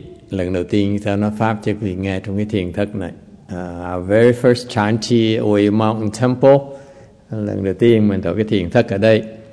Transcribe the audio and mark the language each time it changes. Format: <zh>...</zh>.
<vi>Lần đầu tiên ta nói pháp cho quý vị nghe trong cái thiền thất này.</vi> <en>Our very first Chan Chi Oil Mountain Temple.</en> <vi>Lần đầu tiên mình tổ cái thiền thất ở đây.</vi>